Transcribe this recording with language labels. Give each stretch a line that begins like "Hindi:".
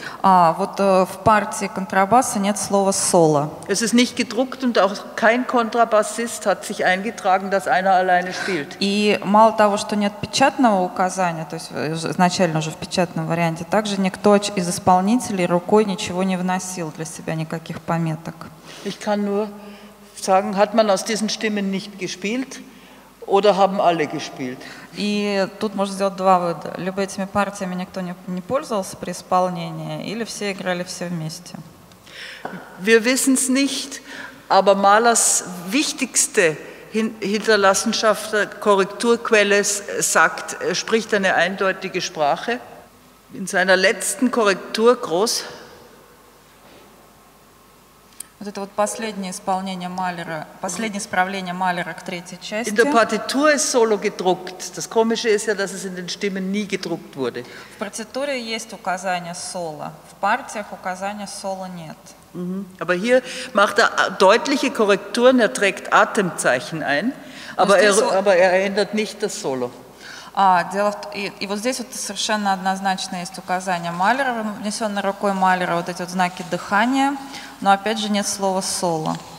Russian: Вот в партии контрабаса нет слова «соло».
German: Es ist nicht gedruckt und auch kein Kontrabassist hat sich eingetragen, dass einer alleine spielt.
Russian: И мало того, что нет печатного указания, то есть изначально уже в печатном варианте, также никто из исполнителей рукой ничего не вносил для себя, никаких пометок.
German: Ich kann nur sagen, hat man aus diesen Stimmen nicht gespielt? Oder haben alle gespielt?
Russian: И тут можно сделать два вывода. Либо этими партиями никто не пользовался при исполнении, или все играли все вместе.
German: Wir wissen es nicht, aber Mahlers wichtigste Hinterlassenschaft, Korrekturquelle, sagt, spricht eine eindeutige Sprache. In seiner letzten Korrektur groß.
Russian: Вот это вот последнее исполнение Малера, последнее исправление Малера к третьей части.
German: In der Partitur ist solo gedruckt. Das Komische ist ja, dass es in den Stimmen nie gedruckt wurde.
Russian: В партитуре есть указание соло, в партиях указания соло нет. Mm-hmm.
German: Aber hier macht er deutliche Korrekturen, er trägt Atemzeichen ein, aber er ändert nicht das Solo.
Russian: И вот здесь вот совершенно однозначно есть указание Малера, внесенное рукой Малера, вот эти вот знаки дыхания, но опять же нет слова «соло».